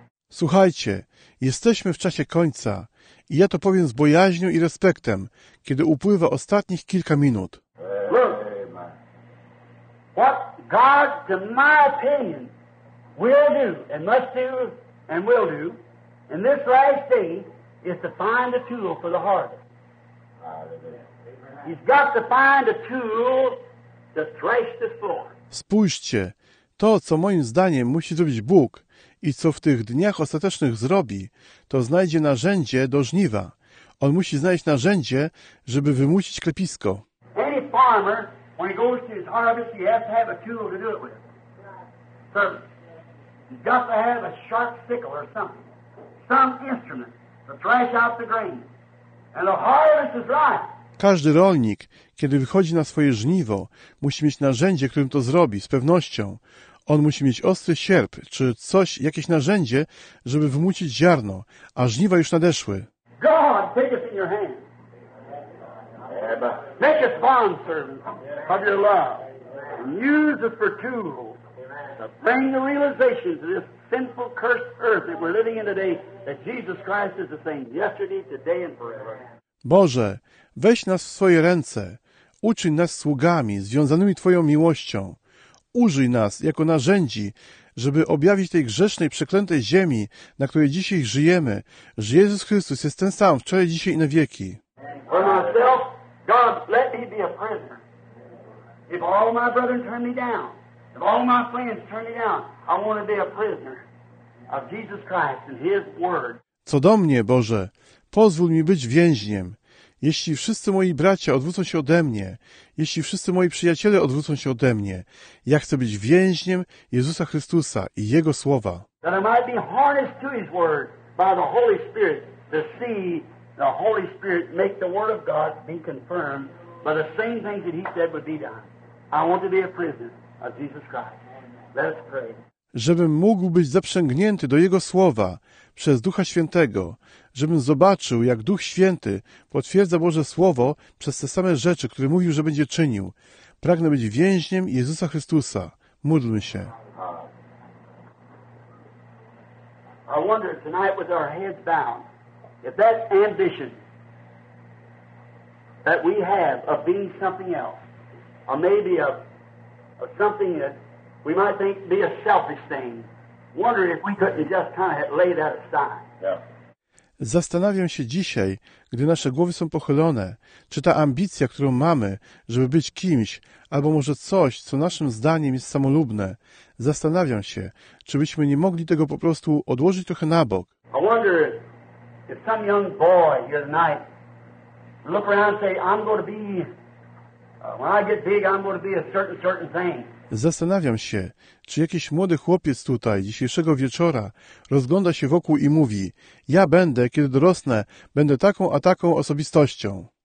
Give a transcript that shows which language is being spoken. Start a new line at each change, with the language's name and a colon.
Polish: Słuchajcie, jesteśmy w czasie końca i ja to powiem z bojaźnią i respektem, kiedy upływa ostatnich kilka minut.
English: What God, to my opinion, will do, and must do, and will do, in this last day, is to find a tool for the harvest. He's got to find a tool to thresh the floor.
Polish: Spójrzcie, to, co moim zdaniem musi zrobić Bóg i co w tych dniach ostatecznych zrobi, to znajdzie narzędzie do żniwa. On musi znaleźć narzędzie, żeby wymusić klepisko.
English: Any farmer, when he goes to his harvest, he has to have a tool to do it with. So, he's got to have a sharp sickle or something. Some instrument to thrash out the grain. And the harvest is right.
Polish: Każdy rolnik, kiedy wychodzi na swoje żniwo, musi mieć narzędzie, którym to zrobi, z pewnością. On musi mieć ostry sierp, czy coś, jakieś narzędzie, żeby wymucić ziarno, a żniwa już nadeszły.
English: God, take us in your hand. Make us bond servants of your love. And use us for tools to bring the realization to this sinful, cursed earth that we're living in today, that Jesus Christ is the same yesterday, today and forever.
Polish: Boże, weź nas w swoje ręce, uczyń nas sługami, związanymi Twoją miłością. Użyj nas jako narzędzi, żeby objawić tej grzesznej, przeklętej ziemi, na której dzisiaj żyjemy, że Jezus Chrystus jest ten sam wczoraj, dzisiaj i na wieki.
English: For myself, God, let me be a prisoner. If all my brethren turn me down, if all my friends turn me down, I want to be a prisoner of Jesus Christ and His Word.
Polish: Co do mnie, Boże, pozwól mi być więźniem. Jeśli wszyscy moi bracia odwrócą się ode mnie, jeśli wszyscy moi przyjaciele odwrócą się ode mnie, ja chcę być więźniem Jezusa Chrystusa i Jego Słowa.
English: That I might be harnessed to His Word by the Holy Spirit, to see the Holy Spirit make the Word of God be confirmed by the same things that He said would be done. I want to be a prisoner of Jesus Christ. Let us pray.
Polish: Żebym mógł być zaprzęgnięty do Jego Słowa przez Ducha Świętego, żebym zobaczył, jak Duch Święty potwierdza Boże Słowo przez te same rzeczy, które mówił, że będzie czynił. Pragnę być więźniem Jezusa Chrystusa. Módlmy się.
English: I wonder tonight with our heads bowed, if that ambition that we have of being something else, or maybe of something that we might think be a selfish thing, wonder if we couldn't just kind of lay that aside. Yeah.
Polish: Zastanawiam się dzisiaj, gdy nasze głowy są pochylone, czy ta ambicja, którą mamy, żeby być kimś, albo może coś, co naszym zdaniem jest samolubne, zastanawiam się, czy byśmy nie mogli tego po prostu odłożyć trochę na bok.
English: I wonder if some young boy here tonight look around and say, I'm going to be, when I get big, I'm going to be a certain thing.
Polish: Zastanawiam się, czy jakiś młody chłopiec tutaj, dzisiejszego wieczora, rozgląda się wokół i mówi, ja będę, kiedy dorosnę, będę taką a taką osobistością.